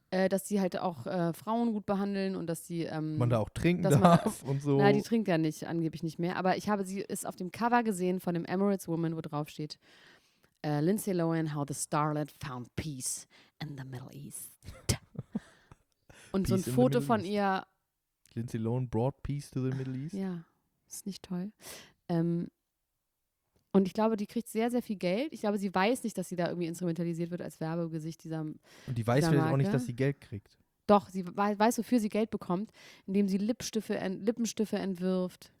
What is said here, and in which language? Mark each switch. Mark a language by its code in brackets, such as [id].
[de] Dass sie halt auch Frauen gut behandeln und dass sie man da auch trinken darf und so. Nein, die trinkt ja nicht, angeblich nicht mehr. Aber ich habe sie ist auf dem Cover gesehen von dem Emirates Woman, wo drauf steht Lindsay Lohan, [en] how the starlet found peace in the Middle East. [de] Und [en] peace [de] so ein Foto von ihr. [en] Lindsay Lohan brought peace to the Middle East? [de] Ja, ist nicht toll. Und ich glaube, die kriegt sehr, sehr viel Geld. Ich glaube, sie weiß nicht, dass sie da irgendwie instrumentalisiert wird als Werbegesicht dieser Marke. Und die weiß vielleicht auch nicht, dass sie Geld kriegt. Doch, sie weiß, wofür sie Geld bekommt, indem sie Lippenstifte entwirft.